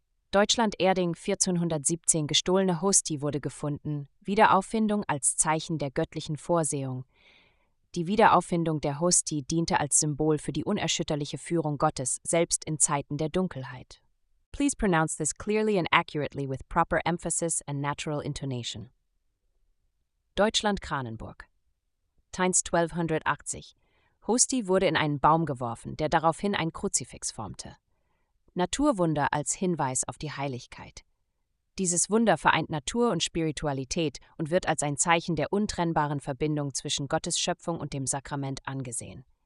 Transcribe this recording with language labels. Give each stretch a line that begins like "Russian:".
German: Deutschland, Erding, 1417, gestohlene Hostie wurde gefunden, Wiederauffindung als Zeichen der göttlichen Vorsehung. Die Wiederauffindung der Hostie diente als Symbol für die unerschütterliche Führung Gottes, selbst in Zeiten der Dunkelheit.
English: Please pronounce this clearly and accurately with proper emphasis and natural intonation.
German: Deutschland, Kranenburg. Teins 1280. Hostie wurde in einen Baum geworfen, der daraufhin ein Kruzifix formte. Naturwunder als Hinweis auf die Heiligkeit. Dieses Wunder vereint Natur und Spiritualität und wird als ein Zeichen der untrennbaren Verbindung zwischen Gottes Schöpfung und dem Sakrament angesehen.